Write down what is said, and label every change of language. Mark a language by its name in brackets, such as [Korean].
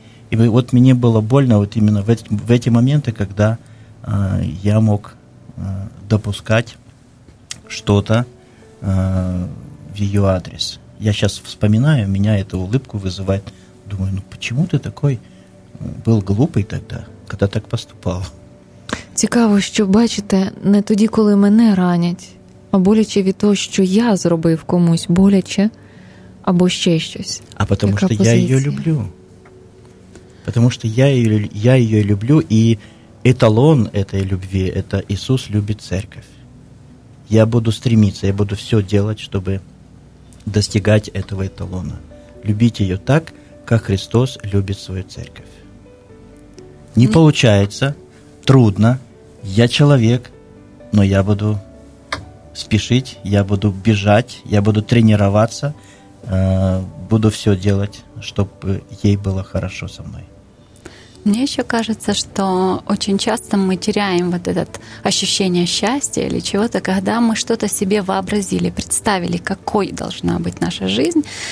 [Russian] И вот мне было больно вот именно в эти моменты, когда я мог допускать что-то в ее адрес. Я сейчас вспоминаю, меня эта улыбка вызывает. Думаю, почему ты такой был глупый тогда, когда так поступал? [Ukrainian] Цікаво, що бачите, не тоді, коли мене ранять, а боляче від того, що я зробив комусь боляче, або ще щось. А тому, що я її люблю. Тому що я її люблю, і еталон цієї любви – це Ісус любить церковь. Я буду стремитися, я буду все робити, щоб достигати цього еталону. Любіть її так, як Христос любить свою церковь. Не виходить, трудно. [Russian] Я человек, но я буду спешить, я буду бежать, я буду тренироваться, буду все делать, чтобы ей было хорошо со мной. Мне еще кажется, что очень часто мы теряем вот это ощущение счастья или чего-то, когда мы что-то себе вообразили, представили, какой должна быть наша жизнь.